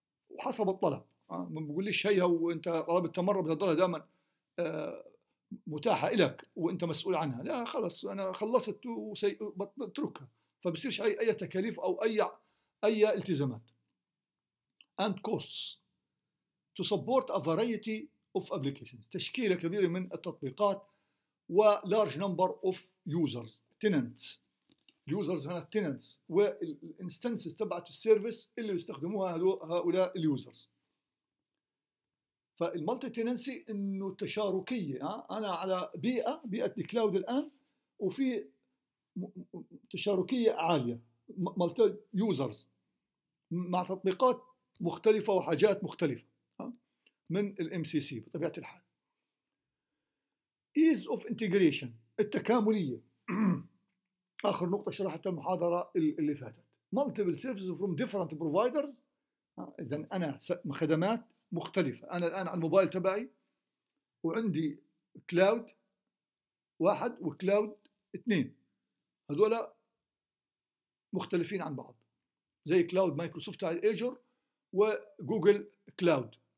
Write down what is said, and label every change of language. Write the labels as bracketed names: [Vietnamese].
[Arabic] وحسب الطلب، ما بقوليش هيها وانت طلبت مره بدها تضلها دائما متاحه لك وانت مسؤول عنها، لا خلص انا خلصت وبتركها، فبصيرش علي اي تكاليف او اي التزامات. [English] And costs to support a variety of applications. [Arabic] تشكيلة كبيرة من التطبيقات و [English] large number of users tenants. [Arabic] Users هنا tenants و instances تبعت السيرفيس اللي يستخدموها هؤلاء اليوزرز. فالمالتي تيننسي إنه تشاركية، أنا على بيئة الكلاود الآن وفي تشاركية عالية مالتي users مع تطبيقات مختلفة وحاجات مختلفة من الـ MCC بطبيعة الحال. [English] Ease of integration، التكاملية. [Arabic] آخر نقطة شرحتها المحاضرة اللي فاتت. [English] Multiple services from different providers. [Arabic] إذن أنا خدمات مختلفة، أنا الآن على الموبايل تبعي وعندي كلاود واحد وكلاود اثنين، هذولا مختلفين عن بعض، زي كلاود مايكروسوفت على Azure وجوجل كلاود،